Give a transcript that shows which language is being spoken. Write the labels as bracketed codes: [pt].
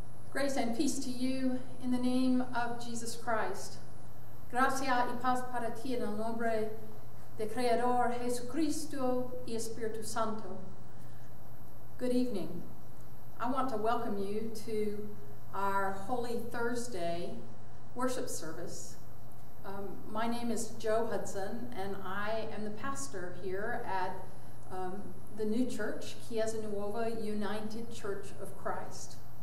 [en] grace and peace to you in the name of Jesus Christ. [es] Gracia y paz para ti en el nombre de Creador Jesucristo y Espíritu Santo. [en] Good evening. I want to welcome you to our Holy Thursday worship service. My name is Joe Hudson, and I am the pastor here at the new church, Chiesa Nuova United Church of Christ.